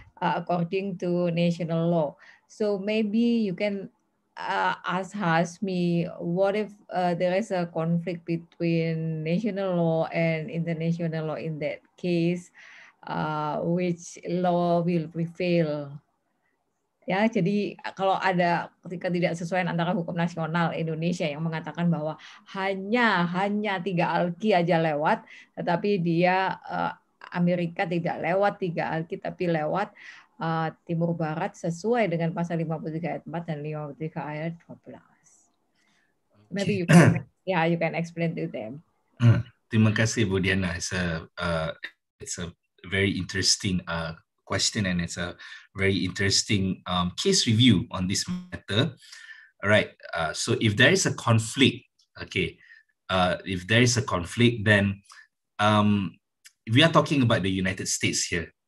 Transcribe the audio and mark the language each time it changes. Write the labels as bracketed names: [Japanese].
[English] According to national law. So maybe you can ask me, what if there is a conflict between national law and international law in that case, which law will prevail? [Indonesian] Ya, jadi kalau ada ketidaksesuaian antara hukum nasional Indonesia yang mengatakan bahwa hanya tiga alki aja lewat, tetapi dia Amerika tidak lewat tiga alki, tapi lewat Timur Barat sesuai dengan pasal 53 ayat 4 dan 53 ayat 12. [English] Maybe you can, you can explain to them. [Indonesian] Terima kasih Bu Diana. [English] It's a very interesting question and it's a very interesting case review on this matter. Alright, so if there is a conflict, if there is a conflict, then we are talking about the United States here.